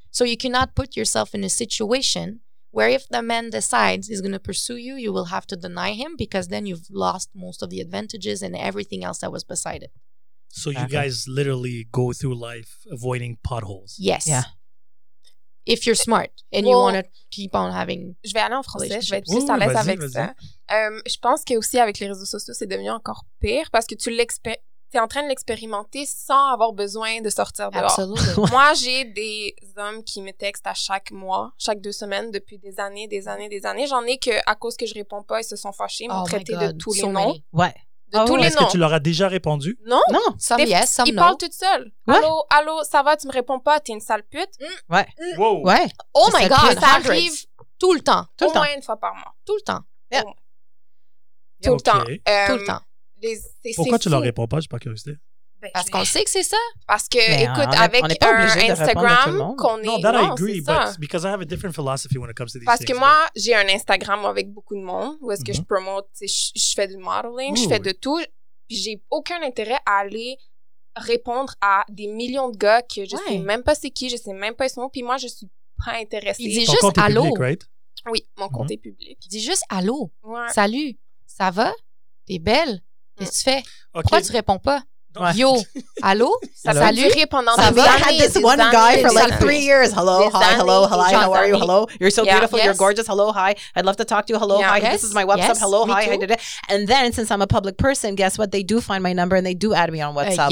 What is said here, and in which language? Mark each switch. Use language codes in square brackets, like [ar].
[en] So you cannot put yourself in a situation where if the man decides he's going to pursue you, you will have to deny him because then you've lost most of the advantages and everything else that was beside it. So you guys literally go through life avoiding potholes. Yes. Yeah. If you're smart and you want to keep on having... [fr] Je vais aller en français, je vais être plus à l'aise avec ça. Je pense qu'aussi avec les réseaux sociaux, c'est devenu encore pire parce que tu es en train de l'expérimenter sans avoir besoin de sortir dehors. Absolument. Moi, j'ai des hommes qui me textent à chaque mois, chaque deux semaines, depuis des années, des années, des années. J'en ai que à cause que je réponds pas, ils se sont fâchés, m'ont traité de tous les noms. Ouais. De tous les noms. Est-ce que tu leur as déjà répondu? Non. Non. [en] Some yes, some no. [fr] Ils parlent toute seule. Ouais. Allô, allô, ça va, tu me réponds pas, t'es une sale pute. Ouais. Wow. Ouais. [en] Oh my God. [fr] Ça arrive tout le temps. Au moins une fois par mois. Tout le temps. Tout le temps. Tout le temps. Pourquoi tu leur réponds pas? J'ai pas curiosité. Parce qu'on sait que c'est ça. Parce que, écoute, avec un Instagram qu'on est... [en] Non, that I agree, but because I have a different philosophy when it comes to these things. [fr] Parce que moi, j'ai un Instagram avec beaucoup de monde où est-ce que je promote, je fais du modeling, je fais de tout. Puis j'ai aucun intérêt à aller répondre à des millions de gars que je sais même pas c'est qui, je sais même pas son nom. Puis moi, je suis pas intéressée. Il dit juste allô. Oui, mon compte est public. Il dit juste allô. Salut. Ça va? T'es belle? Qu'est-ce que tu fais? Okay. Pourquoi tu réponds pas? Ouais. Yo, allô? Ça a duré pendant des années. [en] I've had this one guy for like 3 years. Hello, hi, hello, hello, hi, how are you? Hello, you're so beautiful, you're gorgeous. Hello, hi, I'd love to talk to you. Hello, hi, this is my WhatsApp. Hello, hi, I did it. And then since I'm a public person, guess what? They do find my number and they do add me on WhatsApp.